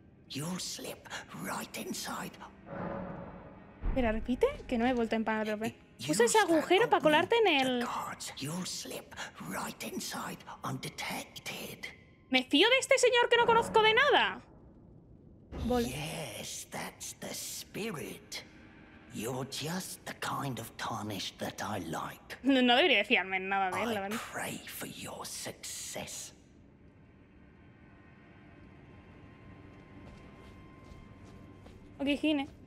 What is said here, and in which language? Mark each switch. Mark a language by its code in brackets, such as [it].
[en] You'll slip right inside. [es] Espera, repite, que no he vuelto a empanar otra vez. Usa ese agujero para colarte en el... [en] You'll slip right inside, undetected. [es] ¿Me fío de este señor que no conozco de nada? [en] Yes, that's the spirit. You're just the kind of tarnished that I like. [es] No debería fiarme en nada de él, la verdad. [en] I pray for your success. Ok, Gine.